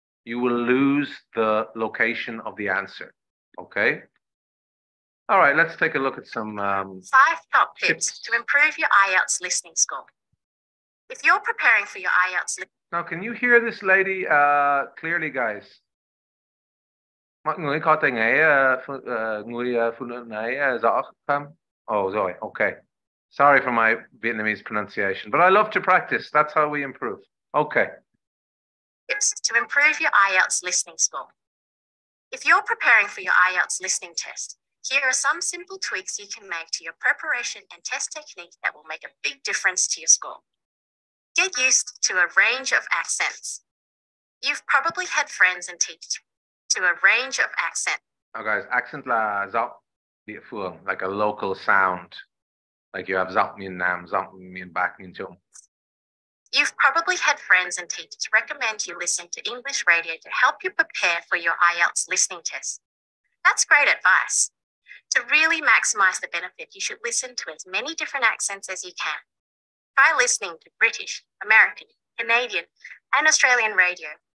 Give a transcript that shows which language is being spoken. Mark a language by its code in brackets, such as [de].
[en] You will lose the location of the answer. Okay? All right, let's take a look at some 5 top tips to improve your IELTS listening score. If you're preparing for your IELTS Now, can you hear this lady clearly, guys? [vi] Mọi người có thể nghe người phụ nữ này rõ không? [en] Oh, [vi] rồi, [en] okay. Sorry for my Vietnamese pronunciation, but I love to practice. That's how we improve. Okay. Tips to improve your IELTS listening score. If you're preparing for your IELTS listening test, here are some simple tweaks you can make to your preparation and test technique that will make a big difference to your score. Get used to a range of accents. You've probably had friends and teachers to a range of accents. Oh, guys, accent [vi] là giọng địa phương, [en] like a local sound. Like you have [vi] giọng miền Nam, giọng miền Bắc, miền Trung. [en] You've probably had friends and teachers recommend you listen to English radio to help you prepare for your IELTS listening test. That's great advice. To really maximize the benefit, you should listen to as many different accents as you can. Try listening to British, American, Canadian, and Australian radio.